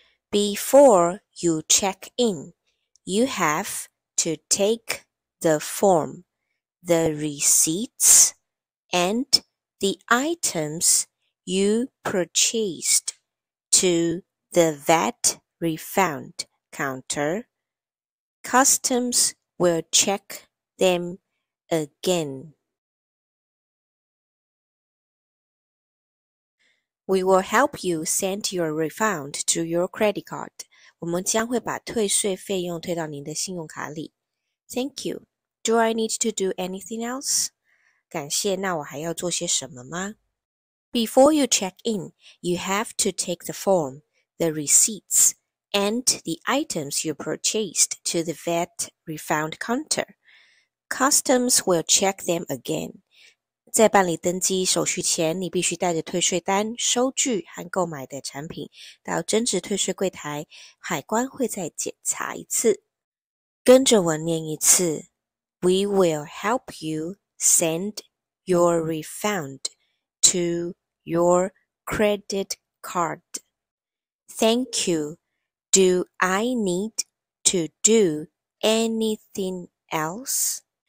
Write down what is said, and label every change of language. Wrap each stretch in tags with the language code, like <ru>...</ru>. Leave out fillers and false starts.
<en>Before you check in, you have to take the form, the receipts, and the items you purchased to the VAT refund counter. Customs will check them again. We will help you send your refund to your credit card.</en> <zh>我们将会把退税费用退到您的信用卡里。</zh> <en>Thank you. Do I need to do anything else?</en> <zh>感谢，那我还要做些什么吗？</zh> <en>Before you check in, you have to take the form, the receipts, and the items you purchased to the VAT refund counter. Customs will check them again.</en> <zh>在办理登机手续前，你必须带着退税单、收据和购买的产品到增值退税柜台，海关会再检查一次。跟着我念一次：</zh> <en>We will help you send your refund to your credit card. Thank you. Do I need to do anything else?</en>